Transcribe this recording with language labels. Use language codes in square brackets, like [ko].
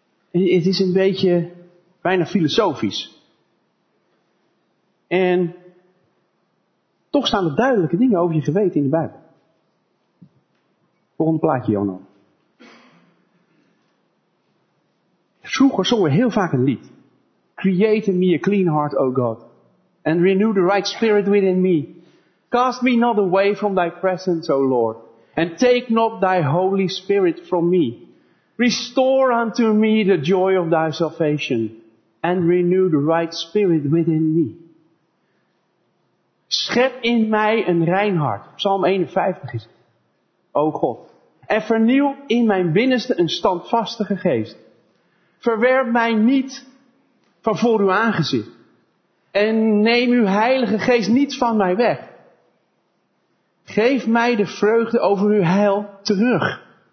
[nl] Het is een beetje bijna filosofisch. En toch staan er duidelijke dingen over je geweten in de Bijbel. Volgende plaatje, Jono. Vroeger zongen we heel vaak een lied. [en] Create in me a clean heart, O God. And renew the right spirit within me. Cast me not away from thy presence, O Lord. And take not thy holy spirit from me. Restore unto me the joy of thy salvation. And renew the right spirit within me. [nl] Schep in mij een rein hart. Psalm 51 is het. O God. En vernieuw in mijn binnenste een standvastige geest. Verwerp mij niet van voor uw aangezicht. En neem uw heilige geest niet van mij weg. Geef mij de vreugde over uw heil terug.